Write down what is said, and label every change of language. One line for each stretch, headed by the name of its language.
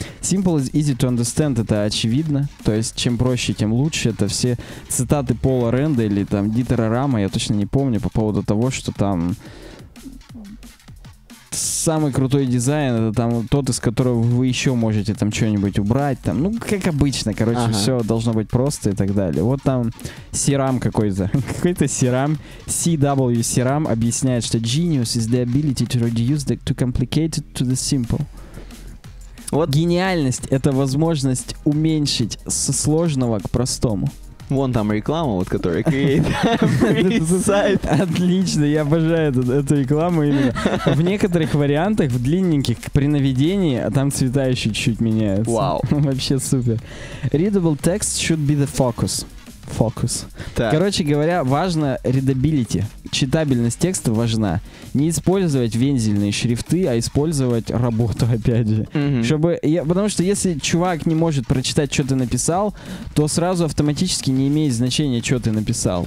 English: Simple is easy to understand,
Russian: это очевидно. То есть чем проще, тем лучше. Это все цитаты Пола Рэнда или там Дитера Рама, я точно не помню, по поводу того, что там... Самый крутой дизайн это там тот, из которого вы еще можете там что-нибудь убрать. Там. Ну, как обычно, короче, ага. Все должно быть просто и так далее. Вот там CRAM какой-то. Какой-то CRAM.
English: CW CRAM
Russian: объясняет, что
English: genius is the ability to reduce the too complicated to the simple.
Russian: Вот. Гениальность это возможность уменьшить со сложного к простому. Вон там реклама, вот которая create сайт. Отлично, я обожаю эту рекламу именно. В некоторых вариантах, в длинненьких, при наведении, а там цвета еще чуть-чуть меняются. Вау. Вообще супер.
English: Readable text should be the focus.
Russian: Фокус. Так. Короче говоря, важно readability. Читабельность текста важна. Не использовать вензельные шрифты, а использовать работу, опять же. Mm-hmm. Чтобы, потому что если чувак не может прочитать, что ты написал, то сразу автоматически не имеет значения, что ты написал.